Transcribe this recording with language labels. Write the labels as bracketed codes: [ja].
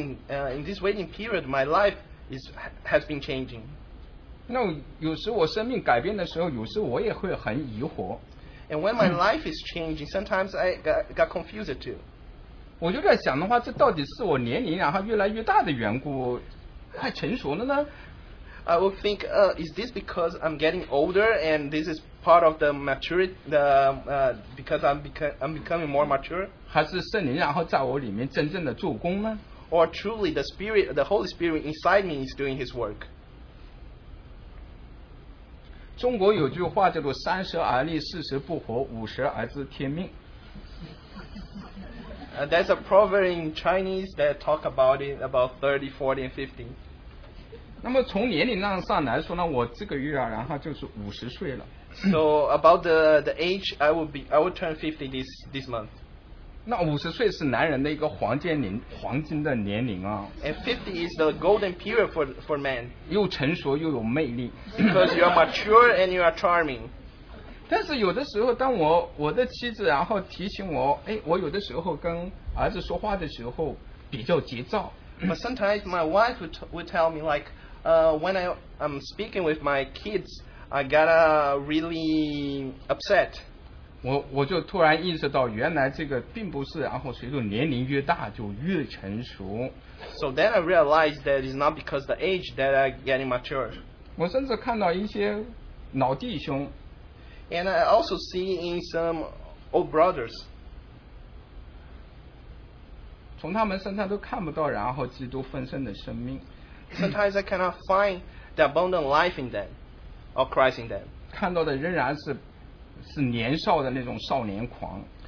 [en] In this waiting period, my life has been changing. [zh] 那有时我生命改变的时候，有时我也会很疑惑。 [en] And when my life is changing, sometimes I got confused too. [zh] 我就在想的话，这到底是我年龄然后越来越大的缘故，快成熟了呢 [en] ？I would think, is this because I'm getting older and this is part of the maturity, because I'm becoming more mature? [zh] 还是圣灵然后在我里面真正的做工呢 [en] ？Or truly the Spirit, the Holy Spirit inside me is doing His work. [zh] 中国有句话叫做“三十而立，四十不惑，五十而知天命”。 [en] There's a proverb in Chinese that talk about it about 30, 40, and 50. [zh] 那么从年龄上来说呢，我这个月啊，然后就是五十岁了。 [en] So about the age, I will turn 50 this month. [zh] 那五十岁是男人的一个黄金的年龄啊。 [en] And 50 is the golden period for men. [zh] 又成熟又有魅力。 [en] Because you are mature and you are charming. [zh] 但是有的时候当我的妻子然后提醒我，哎，我有的时候跟儿子说话的时候比较急躁。 [en] But sometimes my wife would tell me like, when I'm speaking with my kids, I got really upset. [zh] 我就突然意识到原来这个并不是然后随着年龄越大就越成熟。 [en] So then I realized that it's not because the age that I'm getting mature. [zh] 我甚至看到一些老弟兄。 [en] And I also see in some old brothers. [zh] 从他们身上都看不到然后基督丰盛的生命。 [en] Sometimes I cannot find the abundant life in them or Christ in them. [zh] 看到的仍然是年少的那种少年狂。